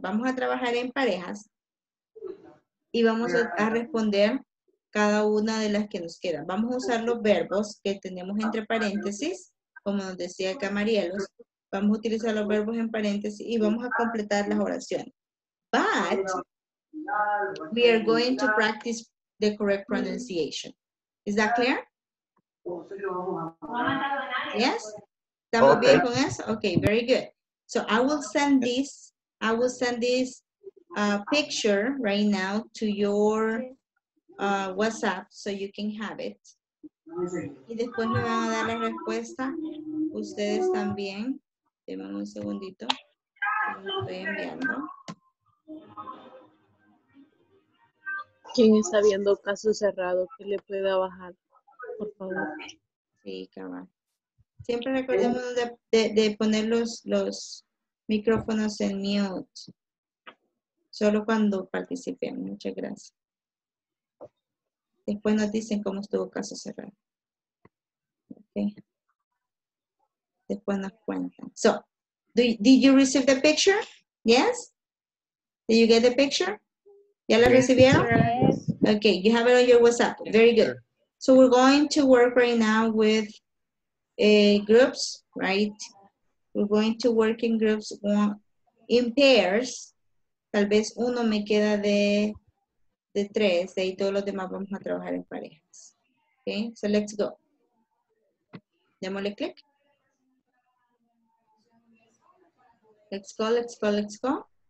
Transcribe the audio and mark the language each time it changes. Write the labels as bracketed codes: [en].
[es] Vamos a trabajar en parejas y vamos a responder cada una de las que nos quedan. Vamos a usar los verbos que tenemos entre paréntesis, como nos decía Camarielos. Vamos a utilizar los verbos en paréntesis y vamos a completar las oraciones. [en] But, we are going to practice the correct pronunciation. Is that clear? Yes? [es] ¿Estamos bien con eso? [en] Okay, very good. So, I will send this picture right now to your WhatsApp so you can have it. [es] Y después me van a dar la respuesta. Ustedes también. Deme un segundito. Estoy enviando. ¿Quién está viendo caso cerrado que le pueda bajar? Por favor. Sí, cabrón. Siempre recordemos de poner los micrófonos en mute. Solo cuando participen. Muchas gracias. Después nos dicen cómo estuvo caso cerrado. Ok. Después nos cuentan. So. [en] Did you receive the picture? Yes? Did you get the picture? [es] ¿Ya la recibieron? [en] Yes. Okay, you have it on your WhatsApp. Very good. So we're going to work right now with groups, right? We're going to work in groups in pairs. [es] Tal vez uno me queda de tres, de ahí todos los demás vamos a trabajar en parejas. [en] Okay, so let's go. [es] Démosle click. [en] Let's go, let's go, let's go.